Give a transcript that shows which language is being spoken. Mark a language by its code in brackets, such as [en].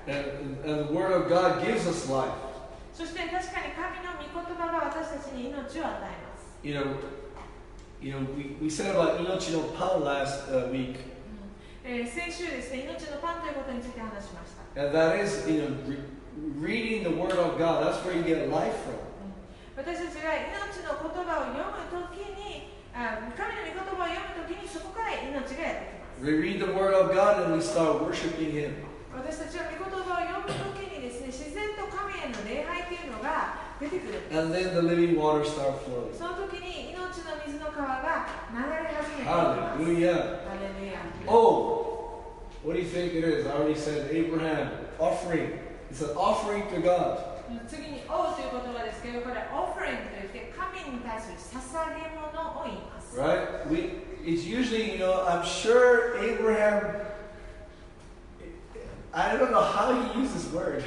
[en] And the word of God gives us life. [ja] そして確かに神の御言葉が私たちに命を与えます。 [en] You know, we said about [ja] 命のパン [en] last week. [ja] 先週ですね、命のパンということについて話しました。 [en] And that is, you know, reading the word of God, that's where you get life from. [ja] 私たちが命の言葉を読むときに、神の御言葉を読むときにそこから命がやってきます。 [en] We read the word of God and we start worshiping Him. [ja] 私たちは御言葉を読むときにですね、自然と神への礼拝というのが出てくる。 [en] And then the living water start flowing. [ja] そのときに命の水の川が流れ始めます。 [en] Hallelujah. Oh, what do you think it is? I already said Abraham, offering. It's an offering to God. [ja] 次に王という言葉ですけど、これ offering といって神に対する捧げ物を言います。 [en] Right? It's usually, you know, I'm sure AbrahamI don't know how he used this word.